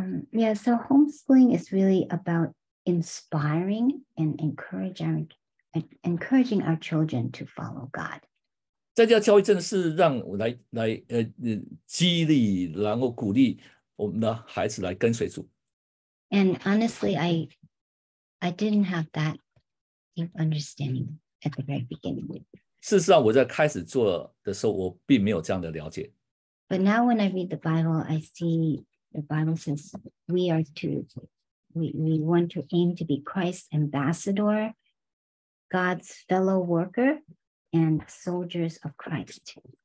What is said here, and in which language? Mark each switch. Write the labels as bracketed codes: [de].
[en] Yeah, so homeschooling is really about inspiring and encouraging our children to follow God. [zh] 在家教育真的是让我来激励，然后鼓励我们的孩子来跟随主。 [en] And honestly, I didn't have that understanding at the very beginning. [zh] 事实上，我在开始做的时候，我并没有这样的了解。 [en] But now when I read the Bible, I see the Bible says we are to, we want to aim to be Christ's ambassador, God's fellow worker, and soldiers of Christ.